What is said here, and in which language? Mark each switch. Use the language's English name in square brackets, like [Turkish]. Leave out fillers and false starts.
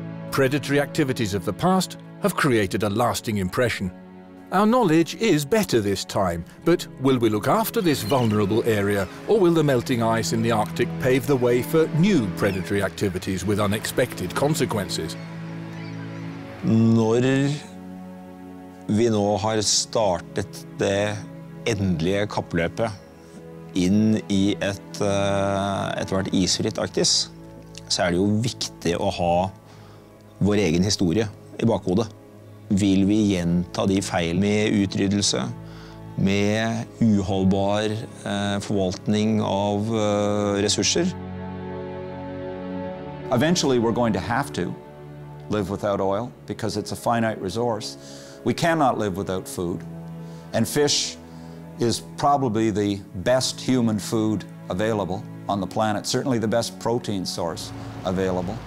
[English] Predatory activities of the past have created a lasting impression. Our knowledge is better this time, but will we look after this vulnerable area, or will the melting ice in the Arctic pave the way for new predatory activities with unexpected consequences? [Norwegian] Når vi nå har startet det endelige kappløpet inn i et isfritt Arktis, så det jo viktig å ha vår egen historie i bakhodet. Vil vi gjenta de feil med utryddelse, med uholdbar forvaltning av ressurser? [English] Eventually we're going to have to live without oil because it's a finite resource. We cannot live without food. And fish is probably the best human food available on the planet, certainly the best protein source available.